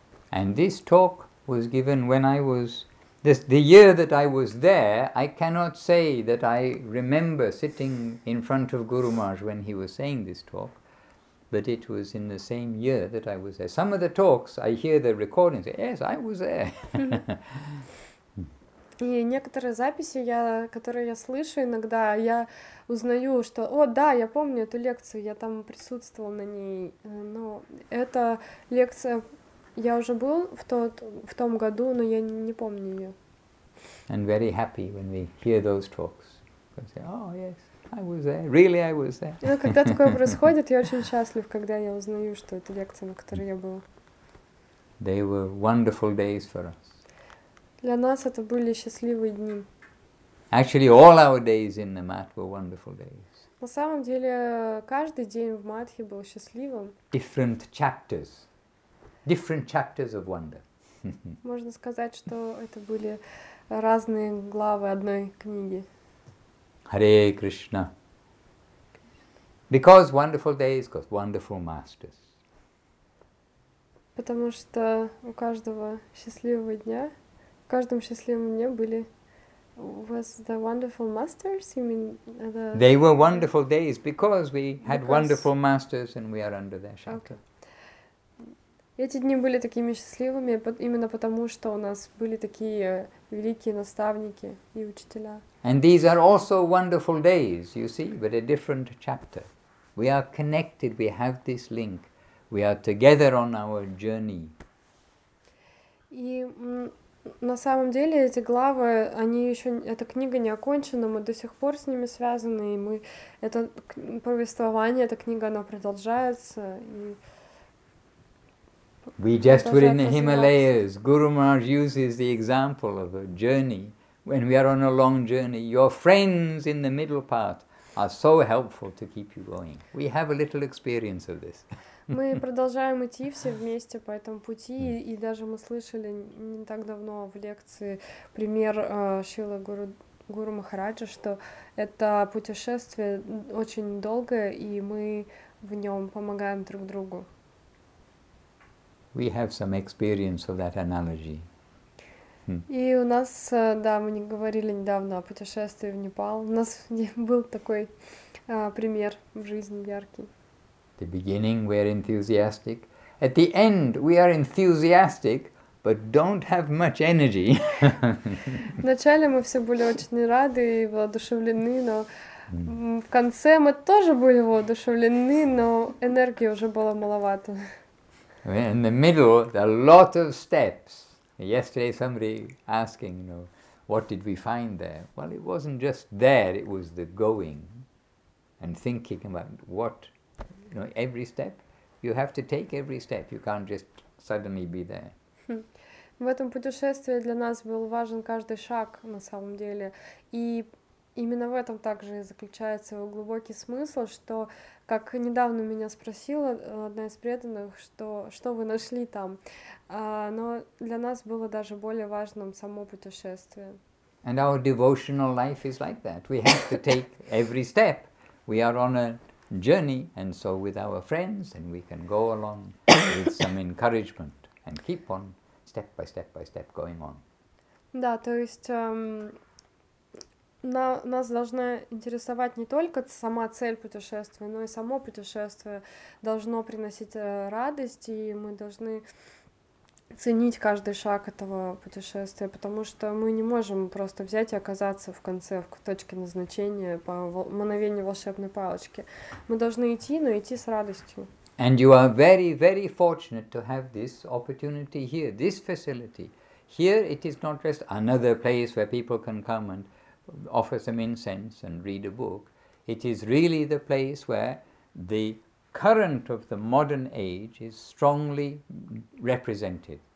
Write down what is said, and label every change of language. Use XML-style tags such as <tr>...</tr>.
<en>And this talk was given when I was the year that I was there. I cannot say that I remember sitting in front of Guru Maharaj when he was saying this talk. But it was in the same year that I was there. Some of the talks, I hear the recordings, yes, I was there.</en> <ru>И некоторые записи, которые я слышу иногда, я узнаю, что, о, да, я помню эту лекцию, я там присутствовал на ней. Но эта лекция, я уже был в том году, но я не помню ее.</ru> <en>And very happy when we hear those talks. We say, oh, yes. I was there. Really, I was there.</en> <ru>Ну, когда такое происходит, я очень счастлив, когда я узнаю, что это лекция, на которой я был.</ru> <en>They were wonderful days for us.</en> <ru>Для нас это были счастливые дни.</ru> <en>Actually, all our days in the mat were wonderful days.</en> <ru>На самом деле, каждый день в матхе был счастливым.</ru> <en>Different chapters. Different chapters of wonder.</en> <ru>Можно сказать, что это были разные главы одной книги.</ru> <en>Hare Krishna. Because wonderful days, because wonderful masters.</en> <ru>Потому что у каждого счастливого дня, в каждом счастливом дне были</ru> <en>was the wonderful masters, you mean the They were wonderful days because we had wonderful masters and we are under their shelter. Okay.</en> <ru>Эти дни были такими счастливыми именно потому, что у нас были такие великие наставники и учителя.</ru> <en>And these are also wonderful days, you see, but a different chapter. We are connected, we have this link. We are together on our journey.</en> <ru>И на самом деле эти главы, они еще эта книга не окончена, мы до сих пор с ними связаны, и мы это повествование, эта книга, она продолжается и</ru> <en>We just were in the Himalayas. Guru Maharaj uses the example of a journey. When we are on a long journey, your friends in the middle part are so helpful to keep you going. We have a little experience of this.</en> <ru>Мы продолжаем идти все вместе по этому пути, и даже мы слышали не так давно в лекции пример Шрилы Гуру Махараджа, что это путешествие очень долгое, и мы в нем помогаем друг другу.</ru> <en>We have some experience of that analogy.</en> <ru>И у нас, да, мы не говорили недавно о путешествии в Непал. У нас был такой пример в жизни яркий.</ru> <en>The beginning, we're enthusiastic. At the end, we are enthusiastic, but don't have much energy.</en> <uk>Вначале ми всі були дуже раді і воодушевлені, но в кінці ми теж були воодушевлені, но енергії вже було маловато.</uk> <en>In the middle, there are a lot of steps. Yesterday, somebody asking, you know, what did we find there? Well, it wasn't just there, it was the going and thinking about what, you know, every step. You have to take every step, you can't just suddenly be there.</en> <ru>В этом путешествии для нас был важен каждый шаг, на самом деле. И именно в этом также и заключается его глубокий смысл, что, как недавно меня спросила одна из преданных, что вы нашли там. Но для нас было даже более важным само путешествие.</ru> <en>And our devotional life is like that. We have to take every step. We are on a journey, and so with our friends, and we can go along with some encouragement and keep on step by step by step going on.</en> <ru>Да, то есть нас должна интересовать не только сама цель путешествия, но и само путешествие должно приносить радость, и мы должны ценить каждый шаг этого путешествия, потому что мы не можем просто взять и оказаться в конце, в точке назначения по мановению волшебной палочки. Мы должны идти, но идти с радостью.</ru> <en>And you are very, very fortunate to have this opportunity here, this facility. Here it is not just another place where people can come and offer some incense and read a book. It is really the place where the current of the modern age is strongly represented.</en>